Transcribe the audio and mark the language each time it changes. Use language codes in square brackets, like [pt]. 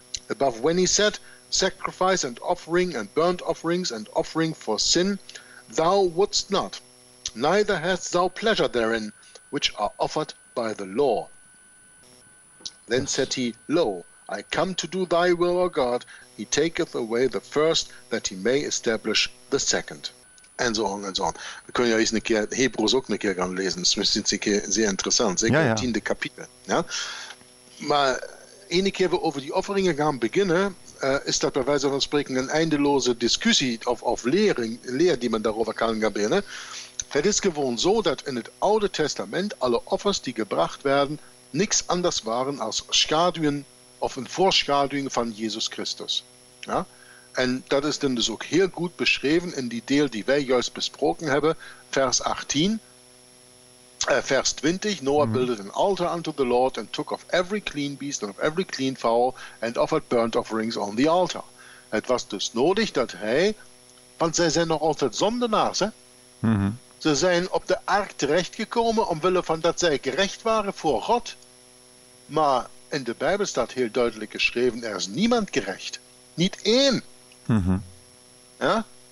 [en] Above when he said, sacrifice and offering and burnt offerings and offering for sin thou wouldst not, neither hast thou pleasure therein, which are offered by the law. Then said he, lo, I come to do thy will, O God. He taketh away the first, that he may establish the second. [nl] En zo on, en zo on. We kunnen ja eens een keer Hebreeën ook een keer gaan lezen. Dat is misschien zeer interessant. Zeker het tiende kapitel. Ja? Maar ene keer we over die offeringen gaan beginnen, is dat bij wijze van spreken een eindeloze discussie of leer die man daarover kan gaan beginnen. Het is gewoon zo dat in het Oude Testament alle offers die gebracht werden niks anders waren als schaduwen of een voorschaduwing van Jezus Christus. Ja? En dat is dan dus ook heel goed beschreven in die deel die wij juist besproken hebben, vers 18, vers 20. [en] Noah builded an altar unto the Lord and took of every clean beast and of every clean fowl and offered burnt offerings on the altar. [nl] Het was dus nodig dat hij, want zij zijn nog altijd zondenaars, hè? Ze zijn op de ark terechtgekomen omwille van dat zij gerecht waren voor God. Maar in de Bijbel staat heel duidelijk geschreven, er is niemand gerecht. Niet één. Ja?